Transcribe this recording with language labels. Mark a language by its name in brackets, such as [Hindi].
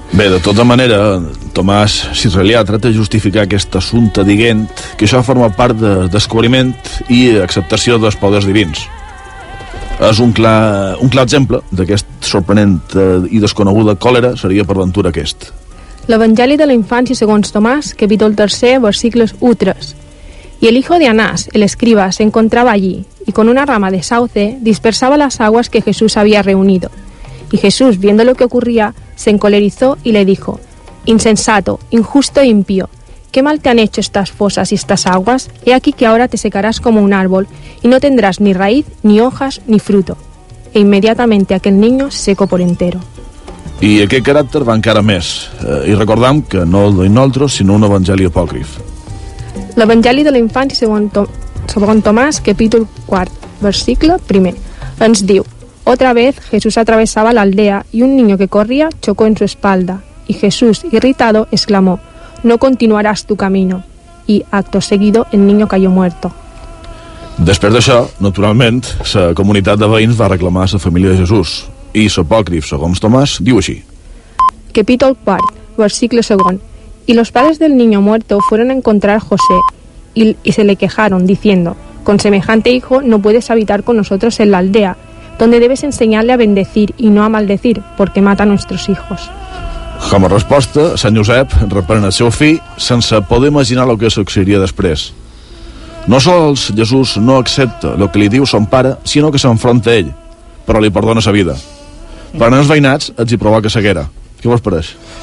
[Catalan] Bé, de tota manera, Tomàs Israelià trata de justificar aquest assumpte dient que això forma part de descobriment i acceptació dels poders divins. És un clar exemple d'aquest sorprenent i desconeguda còlera seria per ventura aquest. L'Evangeli de la Infància segons Tomàs, capítol 3, versicles 1-3. [Spanish] Y el hijo de Anás, el escriba, se encontraba allí, y con una rama de sauce dispersaba las aguas que Jesús había reunido. Y Jesús, viendo lo que ocurría, se encolerizó y le dijo: «Insensato, injusto e impío, ¿qué mal te han hecho estas fosas y estas aguas? He aquí que ahora te secarás como un árbol, y no tendrás ni raíz, ni hojas, ni fruto». E inmediatamente aquel niño se secó por entero. [Catalan] I aquest caràcter va encara més. I recordam que no el d'inoltre, sinó un evangeli apòcrif. L'Evangeli de la Infància segons Tomàs, capítol 4, versículo 1, ens diu: [Spanish] «Otra vez Jesús atravesaba la aldea y un niño que corría chocó en su espalda. Y Jesús, irritado, exclamó: "No continuarás tu camino". Y acto seguido el niño cayó muerto». [Catalan] Després d'això, naturalment, la comunitat de veïns va reclamar a la família de Jesús. I l'apòcrif, segons Tomàs, diu així. Capítol 4, versículo 2. [Spanish] Y los padres del niño muerto fueron a encontrar a José y se le quejaron, diciendo: «Con semejante hijo no puedes habitar con nosotros en la aldea, donde debes enseñarle a bendecir y no a maldecir, porque mata a nuestros hijos». [Catalan] Com a resposta, Sant Josep reprèn el seu fill sense poder imaginar el que succeiria després. No sols Jesús no accepta el que li diu son pare, sinó que s'enfronta a ell, però li perdona sa vida. Per anar als veïnats, els hi provoca ceguera. Què vos pareix?